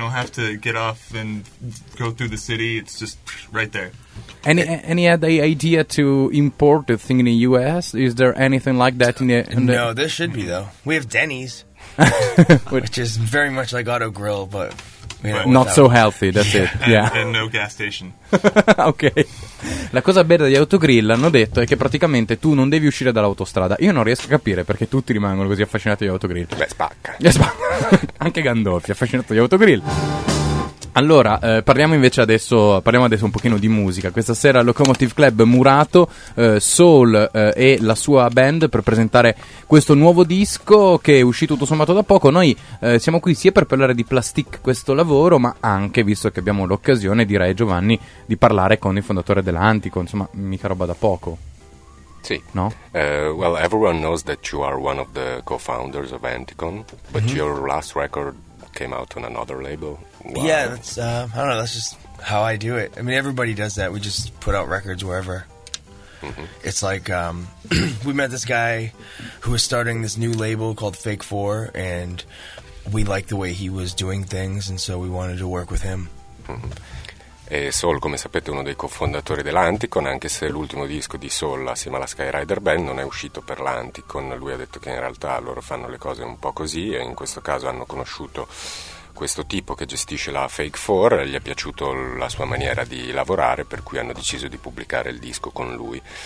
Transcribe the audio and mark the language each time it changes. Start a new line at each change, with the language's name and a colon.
English: You don't have to get off and go through the city. It's just right there. Any idea to import the thing in the U.S.? Is there anything like that in the... No, there should be, though. We have Denny's, which is very much like Auto Grill, but... Not so healthy, that's it. And no gas station. Okay.
Italian: La cosa bella di Autogrill, hanno detto, è che praticamente tu non devi uscire dall'autostrada. Io non riesco a capire perché tutti rimangono così affascinati di Autogrill. Beh, spacca. Anche Gandolfi è affascinato di Autogrill. Allora, parliamo adesso un pochino di musica. Questa sera Locomotive Club Murato, Soul e la sua band per presentare questo nuovo disco che è uscito tutto sommato da poco. Noi siamo qui sia per parlare di Plastic, questo lavoro, ma anche, visto che abbiamo l'occasione, direi, Giovanni, di parlare con il fondatore dell'Antico. Insomma, mica roba da poco. Sì. No?
English: Well, everyone knows that you are one of the co-founders of Anticon, but your last record came out on another label. Wow. Yeah, that's I don't know, that's just how I do it. I mean, everybody does that. We just put out records wherever. It's like we met this guy who was starting this new label called Fake Four, and we liked the way he was doing things, and so we wanted to work with him.
Italian: E Soul, come sapete, è uno dei cofondatori dell'Anticon, anche se l'ultimo disco di Soul assieme alla Skyrider Band non è uscito per l'Anticon. Lui ha detto che in realtà loro fanno le cose un po' così, e in questo caso hanno conosciuto questo tipo che gestisce la Fake Four, gli è piaciuto la sua maniera di lavorare, per cui hanno deciso di pubblicare il disco con lui.